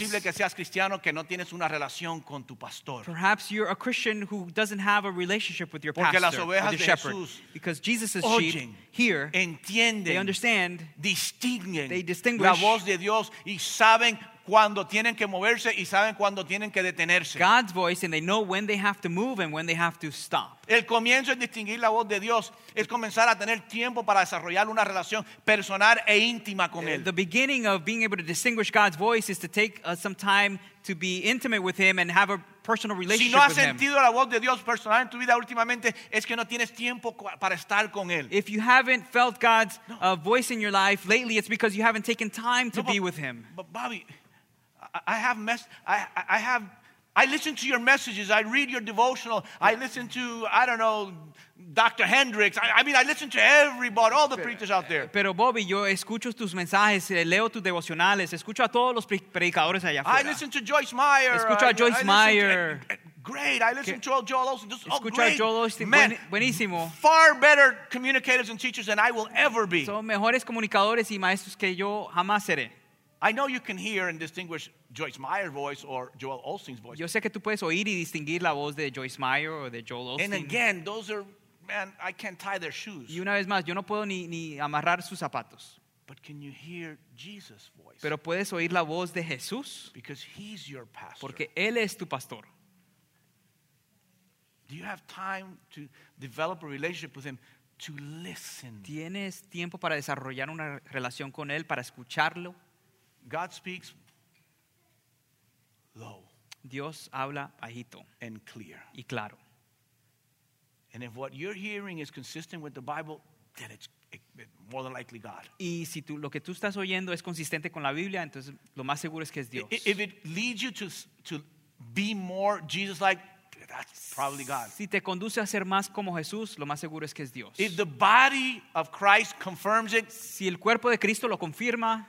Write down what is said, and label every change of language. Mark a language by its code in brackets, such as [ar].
[es] posible que seas cristiano que no tienes una relación con tu pastor. [en] Perhaps you're a Christian who doesn't have a relationship with your [es] porque [en] pastor, [es] las ovejas [en] or the shepherd, [es] de Jesús, [en] because Jesus' [es] oyen, [en] sheep hear, [es] entienden, [en] they understand, [es] distinguen, [en] they distinguish [es] la voz de Dios y saben cuando tienen que moverse y saben cuando tienen que detenerse. [en] God's voice and they know when they have to move and when they have to stop. [es] El comienzo en distinguir la voz de Dios es comenzar a tener tiempo para desarrollar una relación personal e íntima con él. [en] The beginning of being able to distinguish God's voice is to take some time to be intimate with him and have a personal relationship with him. [es] Si no has sentido la voz de Dios personal en tu vida últimamente, es que no tienes tiempo para estar con él. [en] If you haven't felt God's voice in your life lately, it's because you haven't taken time to be with him. But Bobby, I listen to your messages, I read your devotional, I listen to, I don't know, Dr. Hendricks, I listen to everybody, all the preachers out there. [es] Pero Bobby, yo escucho tus mensajes, leo tus devocionales, escucho a todos los predicadores allá afuera. [en] I listen to Joyce Meyer. [es] Escucho a Joyce Meyer. [en] Great, I listen to Joel Osteen. [es] Escucho [en] great. [es] A Joel Osteen, buenísimo. [en] Far better communicators and teachers than I will ever be. [es] Son mejores comunicadores y maestros que yo jamás seré. [en] I know you can hear and distinguish Joyce Meyer's voice or Joel Osteen's voice. [es] Yo sé que tú puedes oír y distinguir la voz de Joyce Meyer o de Joel Osteen. [en] And again, those are, man, I can't tie their shoes. [es] Y una vez más, yo no puedo ni amarrar sus zapatos. [en] But can you hear Jesus' voice? [es] Pero puedes oír la voz de Jesús. [en] Because he's your pastor. [es] Porque él es tu pastor. [en] Do you have time to develop a relationship with him to listen? [es] ¿Tienes tiempo para desarrollar una relación con él para escucharlo? [en] God speaks low. [es] Dios habla bajito. [en] And clear. [es] Y claro. [en] And if what you're hearing is consistent with the Bible, then it's more than likely God. [es] Y si lo que tú estás oyendo es consistente con la Biblia, entonces lo más seguro es que es Dios. [en] If it leads you to be more Jesus-like, that's probably God. [es] Si te conduce a ser más como Jesús, lo más seguro es que es Dios. [en] If the body of Christ confirms it, [es] si el cuerpo de Cristo lo confirma,